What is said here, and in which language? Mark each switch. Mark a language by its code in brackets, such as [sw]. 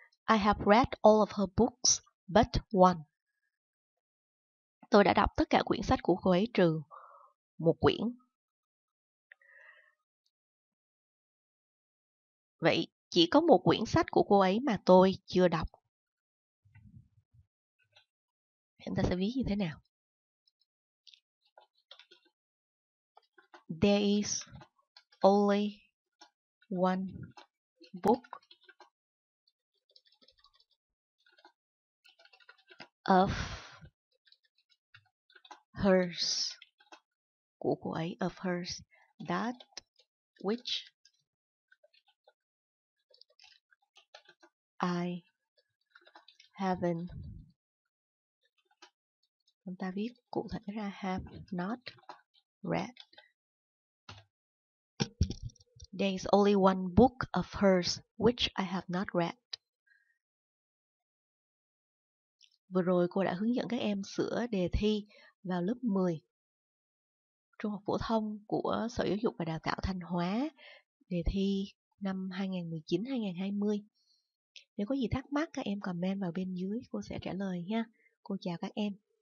[en] I have read all of her books but one. [vi] Tôi đã đọc tất cả quyển sách của cô ấy trừ một quyển. Vậy chỉ có một quyển sách của cô ấy mà tôi chưa đọc. Chúng ta sẽ viết như thế nào? [en] There is only one book of hers, [vi] của cô ấy, [en] of hers, that which I haven't, [vi] chúng ta viết cụ thể ra, [en] have not read. There is only one book of hers which I have not read. [vi] Vừa rồi cô đã hướng dẫn các em sửa đề thi vào lớp 10 Trung học phổ thông của Sở Giáo dục và Đào tạo Thanh Hóa, đề thi năm 2019-2020. Nếu có gì thắc mắc, các em comment vào bên dưới, cô sẽ trả lời nha. Cô chào các em.